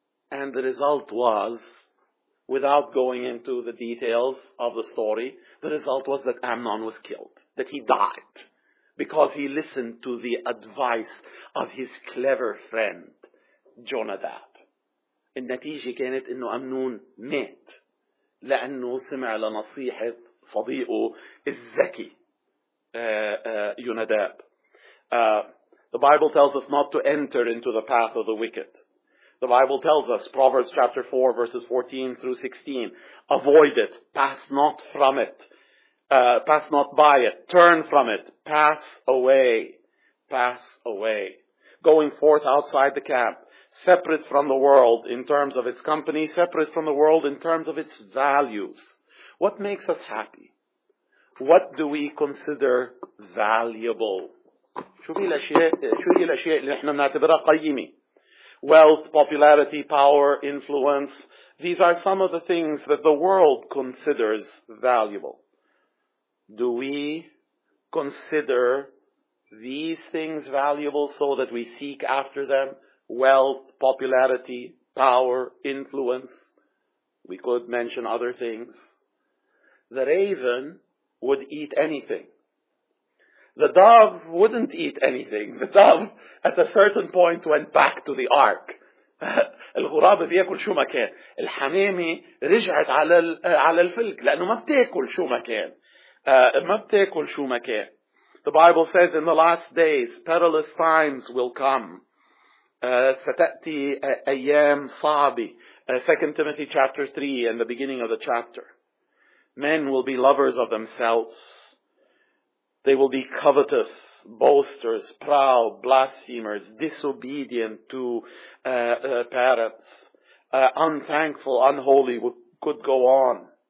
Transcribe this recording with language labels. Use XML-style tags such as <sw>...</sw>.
<en>And the result was, without going into the details of the story, the result was that Amnon was killed, that he died, because he listened to the advice of his clever friend, Jonadab.</en> <ar>النتيجة كانت إنه أمنون مات لأنه سمع لنصيحة صديقه الذكي يوناداب.</ar> <en>The Bible tells us not to enter into the path of the wicked. The Bible tells us, Proverbs chapter 4, verses 14 through 16, avoid it, pass not from it, pass not by it, turn from it, pass away, pass away. Going forth outside the camp, separate from the world in terms of its company, separate from the world in terms of its values. What makes us happy? What do we consider valuable?</en> <ar>شو هي الأشياء اللي احنا بنعتبرها قيمة؟</ar> <en>Wealth, popularity, power, influence. These are some of the things that the world considers valuable. Do we consider these things valuable so that we seek after them? Wealth, popularity, power, influence. We could mention other things. The raven would eat anything. The dove wouldn't eat anything. The dove, at a certain point, went back to the ark.</en> <ar>الغرابة بيأكل شو ما كان. الحمامة رجعت على الفلك لأنه ما بتأكل شو ما كان.</ar> <en>The Bible says, in the last days, perilous times will come.</en> <ar>ستأتي أيام صعبة.</ar> <en>2 Timothy chapter 3 and the beginning of the chapter. Men will be lovers of themselves. They will be covetous, boasters, proud, blasphemers, disobedient to parents, unthankful, unholy, could go on.</en>